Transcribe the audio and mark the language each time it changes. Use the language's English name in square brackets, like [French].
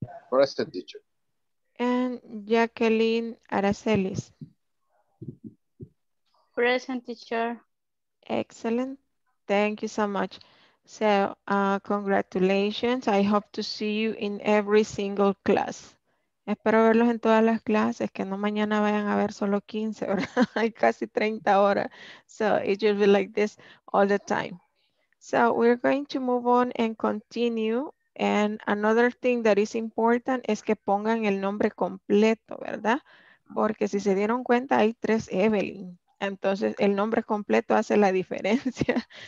[English] Present, teacher. And Jacqueline Aracelis. Present, teacher. Excellent. Thank you so much. So, congratulations. I hope to see you in every single class. [Spanish] Espero verlos en todas las clases, que no mañana vayan a ver solo 15, ¿verdad? Hay casi 30 horas. [English] So, it will be like this all the time. So, we're going to move on and continue. And another thing that is important [Spanish] es que pongan el nombre completo, ¿verdad? Porque si se dieron cuenta, hay tres Evelyn. Entonces, el nombre completo hace la diferencia.